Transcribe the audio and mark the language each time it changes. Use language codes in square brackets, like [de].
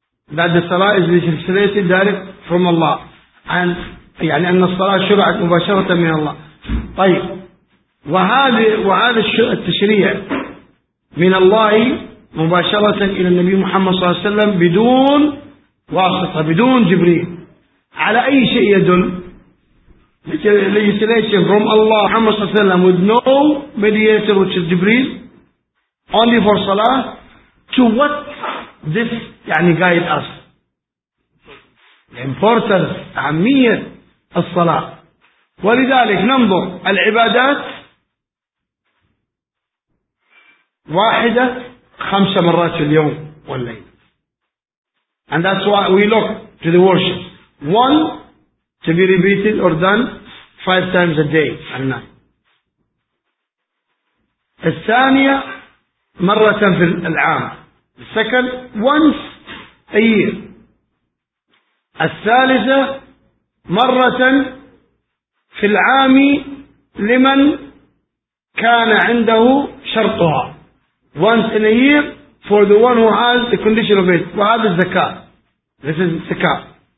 [en] Yes. that the salah is legislated direct from Allah, and [ar] يعني أن الصلاة شرعت مباشرة من الله. طيب وهذا التشريع من الله مباشرة إلى النبي محمد صلى الله عليه وسلم بدون واسطة بدون جبريل، على أي شيء يدل؟ [en] legislation from Allah محمد صلى الله عليه وسلم with no mediator which is جبريل only for salah. To what this يعني guide us importance [ar] أهمية الصلاة. ولذلك ننظر العبادات واحدة خمس مرات في اليوم والليل. [en] And that's why we look to the worship. One to be repeated or done five times a day and night. [ar] الثانية مرة في العام. [en] The second once a year. [ar] الثالثة مرة في العام لمن كان عنده شرطها. [en] Once in a year for the one who has the condition of it. [ar] وهذا الزكاة. [en] This is الزكاة.